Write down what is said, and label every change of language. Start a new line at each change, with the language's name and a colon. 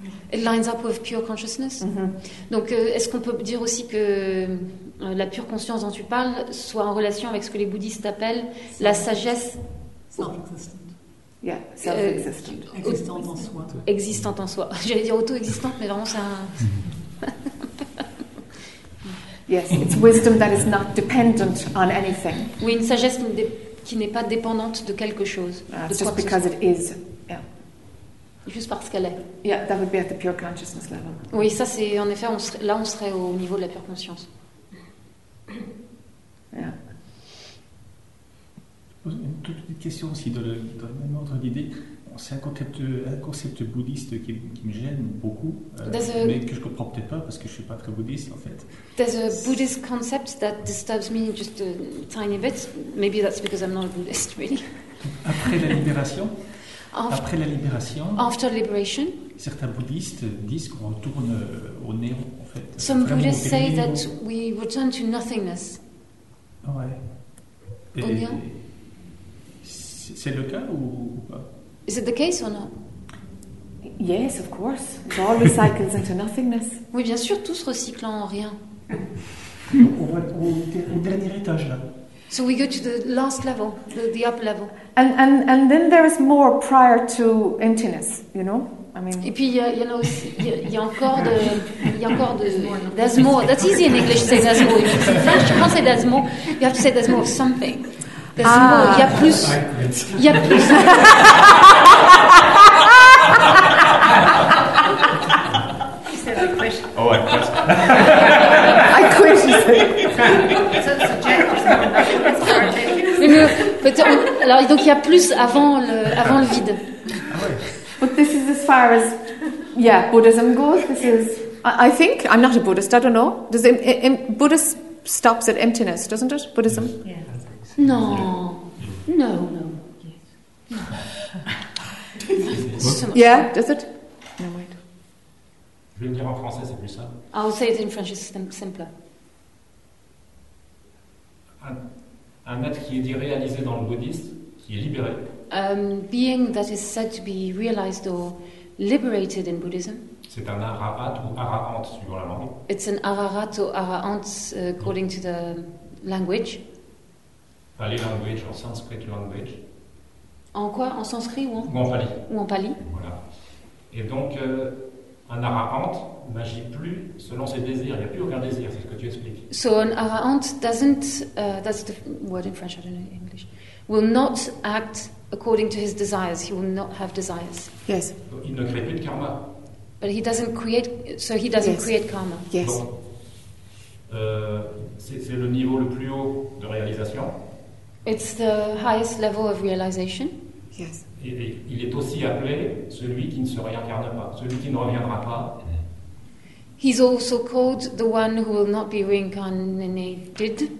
English: It lines up with pure consciousness. Mm-hmm.
French: Donc, est-ce qu'on peut dire aussi que la pure conscience dont tu parles soit en relation avec ce que les bouddhistes appellent la sagesse
English: self-existent. Yeah, self-existent.
French: Existant en soi. Existant en soi. J'allais dire auto-existante, mais vraiment, c'est un...
English: Yes, it's wisdom that is not dependent on anything.
French: Oui, une sagesse qui n'est pas dépendante de quelque chose.
English: It's just because it is. Yeah.
French: Juste parce qu'elle est.
English: Yeah, that would be at the pure consciousness level.
French: Oui, ça, c'est... En effet, on serait au niveau de la pure conscience. Yeah. Une toute petite question aussi dans le même ordre d'idée. C'est un concept bouddhiste qui me gêne beaucoup, mais que je ne comprends peut-être pas parce que je ne suis pas très bouddhiste en fait.
English: There's a Buddhist concept that disturbs me just a tiny bit. Maybe that's because I'm not a Buddhist, really.
French: Après la libération. Après la libération.
English: After liberation.
French: Certains bouddhistes disent qu'on retourne au néant en fait.
English: Some Buddhists say that we return to nothingness. Ouais.
French: Au néant. C'est le cas ou pas?
English: Is it the case or not? Yes, of course. It all recycles into nothingness.
French: Oui, bien sûr, tout se recycle en rien. On va au dernier étage là.
English: So we go to the last level, the upper level. And then there is more prior to emptiness, you know? I mean.
French: Et puis il y a encore de.
English: There's more. That's easy in English to say there's more. In French, you can't say there's more. You have to say there's more of something.
French: Il y a plus. Il y a plus.
English: Oh, I quit. I quit. So it's a jet.
French: Alors donc il y a plus avant le vide.
English: But this is as far as Buddhism goes. This is. I think I'm not a Buddhist. I don't know. Does Buddhist stops at emptiness, doesn't it? Buddhism. Yeah. No, no, no. Yes. No. Yeah, does it? No, wait.
French: Je vais le dire en français, c'est plus simple.
English: I'll say it in French, it's simpler.
French: Un être qui est dit réalisé dans le bouddhisme, qui est libéré.
English: Being that is said to be realized or liberated in Buddhism.
French: C'est un arahat ou arahant, suivant la langue.
English: It's an arahat ou arahant, according to the language. Pali language, en sanskrit language.
French: En quoi? En sanskrit ou en? Ou en pali. Ou en pali. Voilà. Et donc, un arahant n'agit plus selon ses désirs. Il n'y a plus aucun désir, c'est ce que tu expliques.
English: So an arahant doesn't, that's the word in French, I don't know English, will not act according to his desires. He will not have desires. Yes.
French: Il ne crée plus de karma.
English: But he doesn't create, so he doesn't create karma. Yes.
French: Bon. C'est le niveau le plus haut de réalisation.
English: It's the highest level of realization. Yes.
French: Il est aussi appelé celui qui ne se réincarne pas, celui qui ne reviendra pas.
English: He's also called the one who will not be reincarnated.